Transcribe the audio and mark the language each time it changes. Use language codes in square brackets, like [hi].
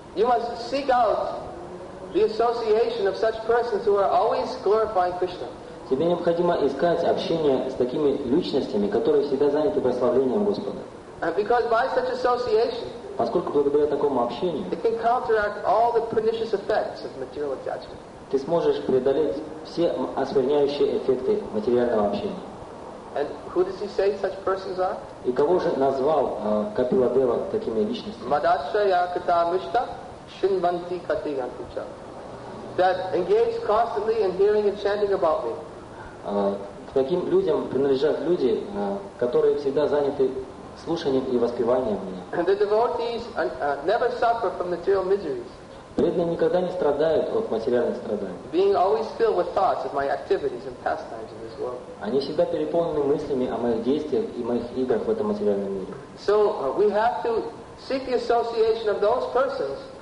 [en] You must seek out the association of such persons who are always glorifying Krishna. [ru] Тебе необходимо искать общение с такими личностями, которые всегда заняты прославлением Господа. [en] Because by such association, [ru] поскольку благодаря такому общению, [en] it can counteract all the pernicious effects of material attachment. [ru] Ты сможешь преодолеть все оскверняющие эффекты материального общения. [en] And who does he say such persons are? [ru] И кого же назвал Капила Дева такими личностями? [sa] Мадашая ката мишта шинванти кати антича. [en] That engage constantly in hearing and chanting about me. [ru] К таким людям принадлежат люди, которые всегда заняты слушанием и воспеванием меня. [en] And the devotees never suffer from material miseries. [ru] Преданные никогда не страдают от материальных страданий. [en] Being always filled with thoughts of my activities and pastimes in this world. [ru] Они всегда переполнены мыслями о моих действиях и моих играх в этом материальном мире. [en] So we have to seek the association of those persons.